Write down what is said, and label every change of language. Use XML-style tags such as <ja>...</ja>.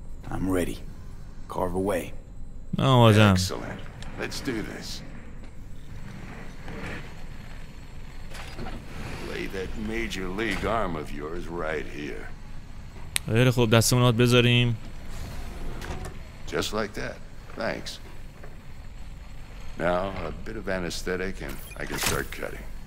<en>I'm ready. Carve away. Oh, well done. Excellent. Let's do this. Lay that major league arm of yours right here.</en> <fa>خیلی خوب دستمون رو بذاریم.</fa> <en>Just like that. Thanks. Now, a bit of anesthetic and I can start cutting.</en>